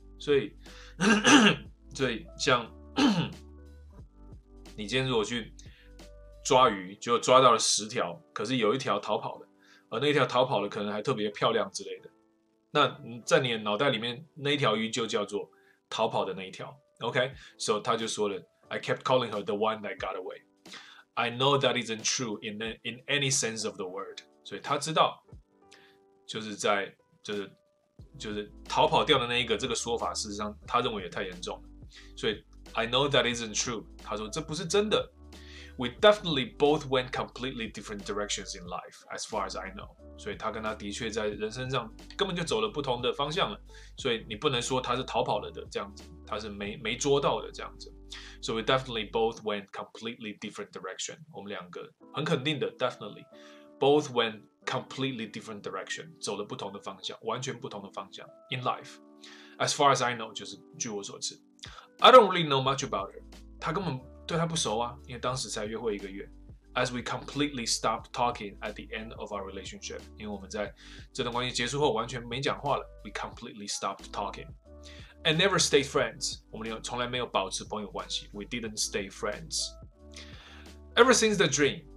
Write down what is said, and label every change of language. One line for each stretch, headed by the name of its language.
Chinese: 所以，所以像你今天如果去抓鱼，就抓到了十条，可是有一条逃跑了，而那一条逃跑了可能还特别漂亮之类的。那在你的脑袋里面，那一条鱼就叫做逃跑的那一条。
English: OK，so
Chinese: 他就说了
English: ，I kept calling her the one that got away. I know that isn't true in any sense of the word.
Chinese: 所以他知道，就是在就是逃跑掉的那一个这个说法，事实上他认为也太严重了。
English: 所以 I know that isn't true.
Chinese: 他说这不是真的。
English: We definitely both went completely different directions in life, as far as I know.
Chinese: 所以他跟他的确在人生上根本就走了不同的方向了。所以你不能说他是逃跑了的这样子，他是没捉到的这样子。
English: So we definitely both went completely different direction.
Chinese: 我们两个很肯定的
English: ，definitely both went completely different direction，
Chinese: 走了不同的方向，完全不同的方向。
English: In life, as far as I know，
Chinese: 就是据我所知
English: ，I don't really know much about her.
Chinese: 他根本对他不熟啊，因为当时才约会一个月。
English: As we completely stopped talking at the end of our relationship，
Chinese: 因为我们在这段关系结束后完全没讲话了
English: ，we completely stopped talking and never stayed friends。
Chinese: 我们从来没有保持朋友关系
English: ，we didn't stay friends ever since the dream。